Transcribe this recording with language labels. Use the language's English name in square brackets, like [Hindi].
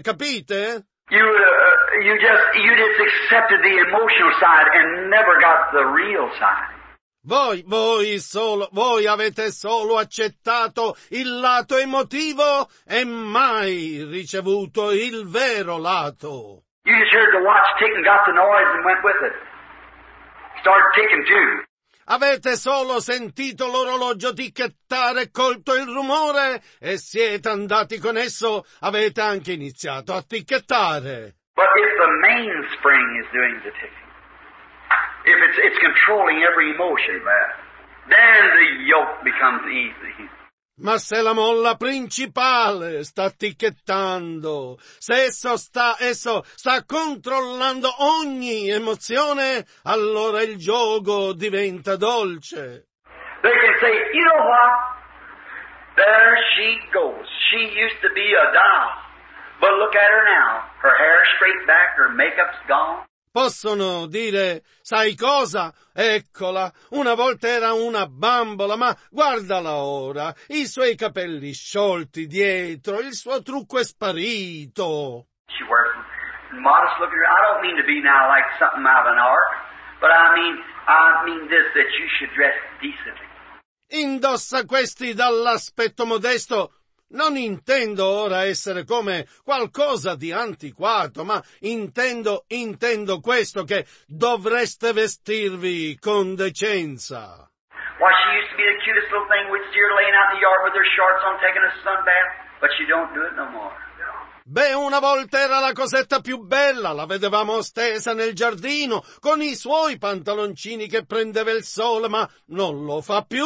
[Italian] Capite? [English] You just accepted the emotional side and never got the real side. [Italian] Voi avete solo accettato il lato emotivo e mai ricevuto il vero lato. [English] You just heard the watch tick and got the noise and went with it. Start ticking too. [Italian] Avete solo sentito l'orologio ticchettare e colto il rumore e siete andati con esso, avete anche iniziato a ticchettare. [English] But if the mainspring is doing the ticking, if it's controlling every emotion there, then the yoke becomes easy. [Italian] Ma se la molla principale sta ticchettando, se esso sta controllando ogni emozione, allora il giogo diventa dolce. [English] They can say, you know what? There she goes. She used to be a doll. But look at her now. Her hair straight back, her makeup's gone. [Italian] Possono dire, sai cosa? Eccola, una volta era una bambola, ma guardala ora, i suoi capelli sciolti dietro, il suo trucco è sparito. [English] She wears modest looking. I don't mean to be now like something out of an ark, but I mean this, that you should dress decently. [Italian] Indossa questi dall'aspetto modesto. Non intendo ora essere come qualcosa di antiquato, ma intendo questo, che dovreste vestirvi con decenza. [English] Why, she used to be the cutest little thing, would steer laying out in the yard with her shorts on, taking a sun bath, but she don't do it no more. [Italian] Beh, una volta era la cosetta più bella, la vedevamo stesa nel giardino, con i suoi pantaloncini che prendeva il sole, ma non lo fa più.